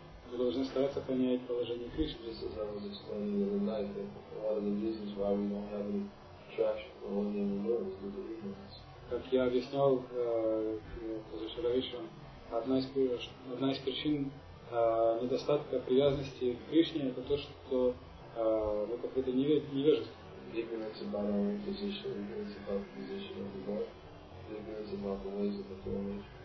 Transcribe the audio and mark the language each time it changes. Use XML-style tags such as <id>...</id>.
<ru>Вы должны стараться понять положение Кришны.</ru> <en>Just as I was explaining the other night, that one of the reasons why we don't have any traction for all the world is due to ignorance.</en> <ru>Как я объяснял позавчера вечером, одна из причин недостатка привязанности к Кришне — это то, что мы какое-то невежество.</ru> <en>Ignorance about our own position, ignorance about the position of the Lord, ignorance about the ways of atonement.</en>